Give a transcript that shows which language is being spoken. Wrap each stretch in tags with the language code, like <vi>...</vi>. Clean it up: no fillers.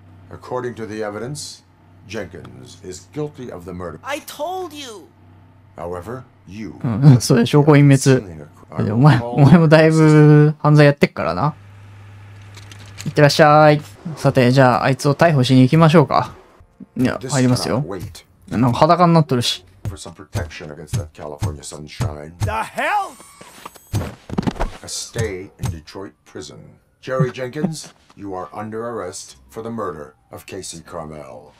<en>According to the evidence, Jenkins is guilty of the murder. I told you. However, you.</en> <ja>そうだ、証拠隠滅。お前もだいぶ犯罪やってっからな。いってらっしゃい。さて、じゃああいつを逮捕しに行きましょうか。いや、入りますよ。なんか裸になっとるし。</ja> <en>For some protection against that California sunshine. The hell! A stay in Detroit prison. Jerry Jenkins, you are under arrest for the murder of Casey Carmel.</en>